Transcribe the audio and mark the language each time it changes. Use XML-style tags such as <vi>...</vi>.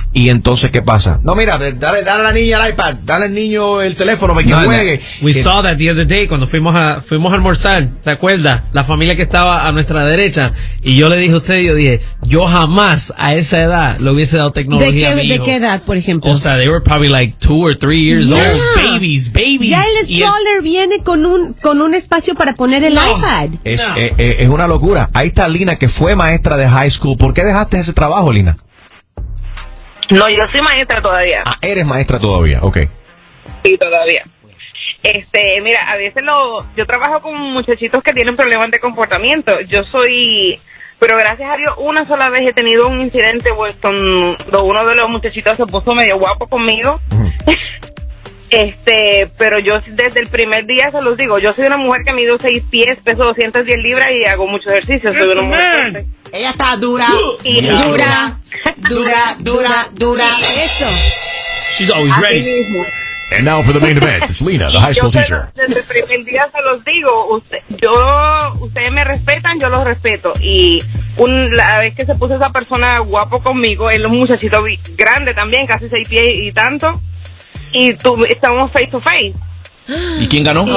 <es>Y entonces, ¿qué pasa? No, mira, dale a la niña el iPad, dale al niño el teléfono para que juegue.</es> <en>Saw that the other day</en> <es>cuando fuimos a almorzar, ¿se acuerda? La familia que estaba a nuestra derecha, y yo le dije a usted, yo dije, yo jamás a esa edad le hubiese dado tecnología. ¿De qué edad, por ejemplo? O sea,</es> <en>they were probably like 2 or 3 years yeah. old, babies.</en> <es>Ya el stroller viene con un espacio para poner el iPad. Es una locura. Ahí está Lina, que fue maestra de high school. ¿Por qué dejaste ese trabajo, Lina? No, yo soy maestra todavía. Ah, eres maestra todavía, ok. Sí, todavía. Mira, a veces yo trabajo con muchachitos que tienen problemas de comportamiento. Pero gracias a Dios, una sola vez he tenido un incidente donde uno de los muchachitos se puso medio guapo conmigo. Pero yo desde el primer día se los digo, yo soy una mujer que mido 6 pies, peso 210 libras y hago mucho ejercicio. Soy una mujer fuerte. Ella está dura. Dura, dura, dura, dura. Eso.</es> <en>She's always</en> <es>así</es> <en>ready. And now for the main event, it's Lina, the high school teacher.</en> <es>Desde el primer día se los digo, ustedes me respetan, yo los respeto. Y la vez que se puso esa persona guapo conmigo, él es un muchachito grande también, casi 6 pies y tanto. Y estamos</es> <en>face to face.</en> <es>¿Y quién ganó?</es>